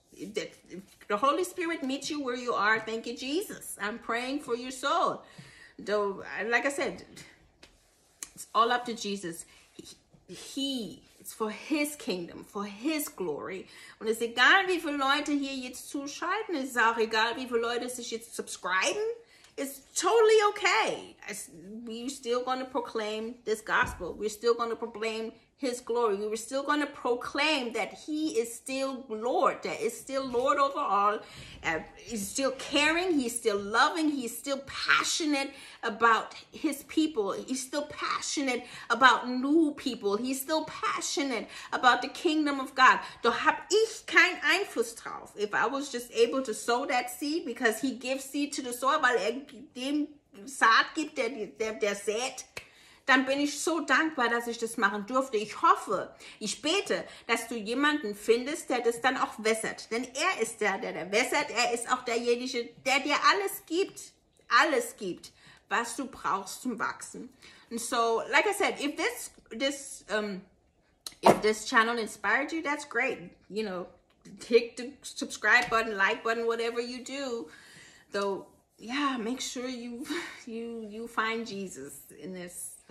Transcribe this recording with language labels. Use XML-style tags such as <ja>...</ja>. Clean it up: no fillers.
<en>The Holy Spirit meets you where you are. Thank you, Jesus. I'm praying for your soul. Though, like I said, it's all up to Jesus. It's for his kingdom, for his glory.</en> <de>Und es ist egal, wie viele Leute hier jetzt zuschalten. Es ist auch egal, wie viele Leute sich jetzt subscriben.</de> <en>it's totally okay. We're still going to proclaim this gospel. We're still going to proclaim his glory. We were still going to proclaim that he is still Lord, that is still Lord over all. He's still caring. He's still loving. He's still passionate about his people. He's still passionate about new people. He's still passionate about the kingdom of God.</en> <de>Da hab ich keinen Einfluss drauf.</de> <en>If I was just able to sow that seed, because he gives seed to the soil,</en> <de>weil dem Saat gibt, der sät, dann bin ich so dankbar, dass ich das machen durfte. Ich hoffe, ich bete, dass du jemanden findest, der das dann auch wässert. Denn er ist der, der wässert. Er ist auch derjenige, der dir alles gibt, was du brauchst zum Wachsen.</de> <en>And so, like I said, if this channel inspired you, that's great. You know, hit the subscribe button, like button, whatever you do. Though, yeah, make sure you find Jesus in this.</en>